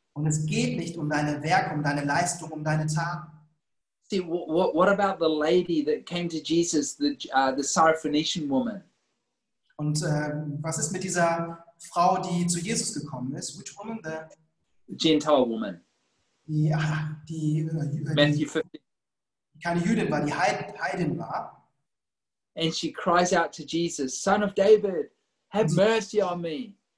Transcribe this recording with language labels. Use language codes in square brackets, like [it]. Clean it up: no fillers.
[de] Und es geht nicht um deine Werke, um deine Leistung, um deine Taten. [en] See, what about the lady that came to Jesus, the Syrophoenician woman? [de] Und was ist mit dieser Frau, die zu Jesus gekommen ist? [en] Which woman? The Gentile woman. [de] Ja, die [en] Matthew 15. [de] Keine Jüdin war, die Heidin war. [en] And she cries out to Jesus, Son of David, have mercy on me.